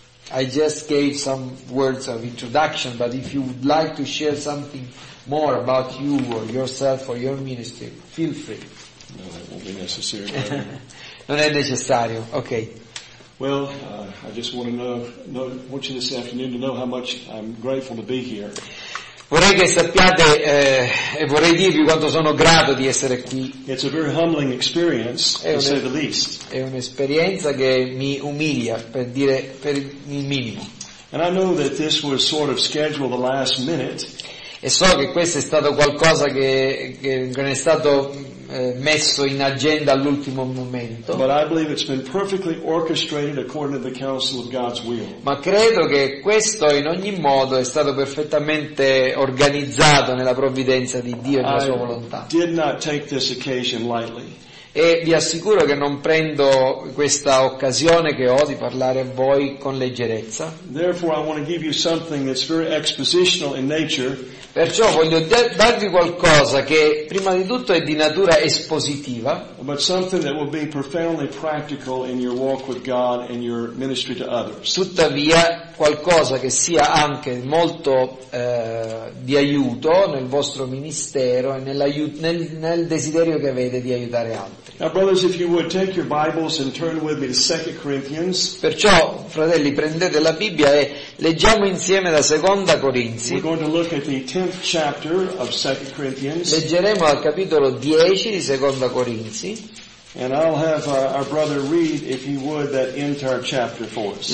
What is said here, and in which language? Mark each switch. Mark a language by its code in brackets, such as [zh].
[en] I just gave some words of introduction, but if you would like to share something more about you or yourself or your ministry, feel free. No, that won't be necessary. [it] Non è necessario. Okay. [en] Well, I just want to want you this afternoon to know how much I'm grateful to be here. [it] Vorrei che sappiate e vorrei dirvi quanto sono grato di essere qui. [en] It's a very humbling experience, to say the least. [it] È un'esperienza che mi umilia, per dire, per il minimo. [en] And I know that this was sort of scheduled the last minute. [it] E so che questo è stato qualcosa che non è stato messo in agenda all'ultimo momento. [en] But I believe it's been perfectly orchestrated according to the counsel of God's will. [it] Ma credo che questo in ogni modo è stato perfettamente organizzato nella provvidenza di Dio e nella sua volontà. [en] I did not take this occasion lightly. [it] E vi assicuro che non prendo questa occasione che ho di parlare a voi con leggerezza. Perciò voglio darvi qualcosa che prima di tutto è di natura espositiva, tuttavia qualcosa che sia anche molto di aiuto nel vostro ministero e nel desiderio che avete di aiutare altri. [en] Now, brothers, if you would take your Bibles and turn with me to 2 Corinthians. [it] Perciò, fratelli, prendete la Bibbia e leggiamo insieme la Seconda Corinzi. [en] We're going to look at the 10th chapter of 2 Corinthians. [it] Leggeremo al capitolo 10 di Seconda Corinzi. [en] And I'll have our brother read, if you would, that entire chapter for us.